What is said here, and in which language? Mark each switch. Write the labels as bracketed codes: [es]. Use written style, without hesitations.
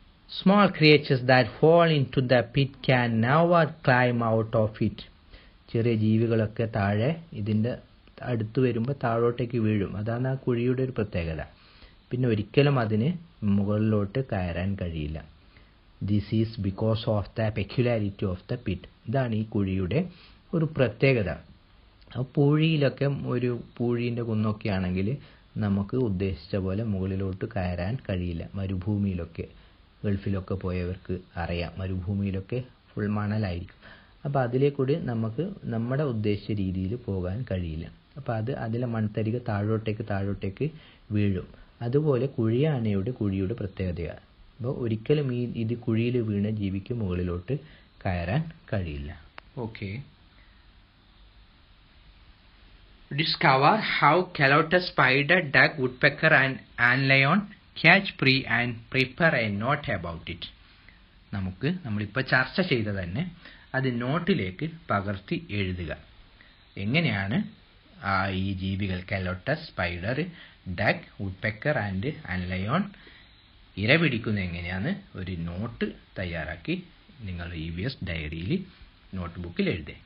[en] Small creatures that fall into the pit can never climb out of it. [ml] ചെറിയ ജീവികളൊക്കെ താഴെ ഇതിൻ്റെ അടുത്ത് വരുമ്പോൾ താഴോട്ടേക്ക് വീഴും. അതാണ് ആ കുഴിയുടെ ഒരു പ്രത്യേകത. പിന്നെ ഒരിക്കലും അതിന് മുകളിലോട്ട് കയറാൻ കഴിയില്ല. [en] This is because of the peculiarity of the pit. [ml] ഇതാണ് ഈ കുഴിയുടെ ഒരു പ്രത്യേകത. പുഴിയിലൊക്കെ ഒരു പുഴീൻ്റെ കുന്നൊക്കെ ആണെങ്കിൽ നമുക്ക് ഉദ്ദേശിച്ച പോലെ മുകളിലോട്ട് കയറാൻ കഴിയില്ല. മരുഭൂമിയിലൊക്കെ, ഗൾഫിലൊക്കെ പോയവർക്ക് അറിയാം, മരുഭൂമിയിലൊക്കെ ഫുൾ മണലായിരിക്കും. അപ്പോൾ അതിലേക്കൂടി നമുക്ക് നമ്മുടെ ഉദ്ദേശിച്ച രീതിയിൽ പോകാൻ കഴിയില്ല. അപ്പോൾ അത് അതിലെ മൺതരിക താഴോട്ടേക്ക് താഴോട്ടേക്ക് വീഴും. അതുപോലെ കുഴിയാനയുടെ കുഴിയുടെ പ്രത്യേകതയാണ്. അപ്പോൾ ഒരിക്കലും ഈ ഇത് കുഴിയിൽ വീണ ജീവിക്ക് മുകളിലോട്ട് കയറാൻ കഴിയില്ല. [en] Okay, discover how calotus spider duck woodpecker and antlion catch prey and prepare a note about it. [ml] നമുക്ക് നമ്മളിപ്പോൾ ചർച്ച ചെയ്ത തന്നെ അത് നോട്ടിലേക്ക് പകർത്തി എഴുതുക. എങ്ങനെയാണ് ആ ഈ ജീവികൾ കലോട്ടസ്, സ്പൈഡർ, ഡക്ക്, വുഡ്പെക്കർ ആൻഡ് അൻലയോൺ ഇര പിടിക്കുന്നത് എങ്ങനെയാണ്? ഒരു നോട്ട് തയ്യാറാക്കി നിങ്ങൾ EVS ഡയറിയിൽ നോട്ട്ബുക്കിൽ എഴുതുക.